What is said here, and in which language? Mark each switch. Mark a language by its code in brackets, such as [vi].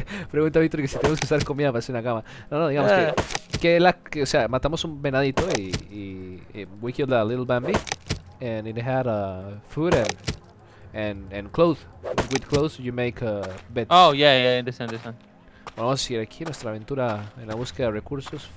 [es] Pregunta a Víctor que si tenemos que usar comida para hacer una cama. Digamos que o sea, matamos un venadito y [en] we killed a little Bambi and it had food and clothes. With clothes you make a bed. Oh yeah, I understand. [es] Vamos a seguir aquí nuestra aventura en la búsqueda de recursos.